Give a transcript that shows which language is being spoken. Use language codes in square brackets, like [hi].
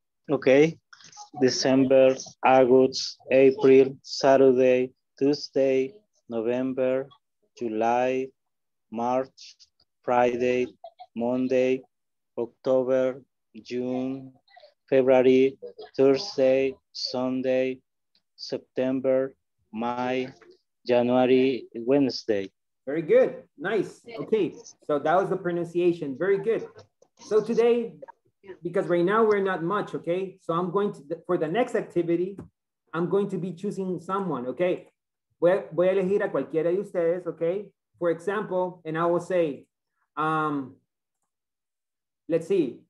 [en] Okay. December, August, April, Saturday, Tuesday, November, July, March, Friday, Monday, October, June, February, Thursday, Sunday, September, May, January, Wednesday. Very good. Nice. Okay. So that was the pronunciation. Very good. So today, because right now we're not much, okay? So I'm going to, for the next activity, I'm going to be choosing someone, okay? [es] Voy a elegir a cualquiera de ustedes, okay? [en] For example, and I will say, let's see.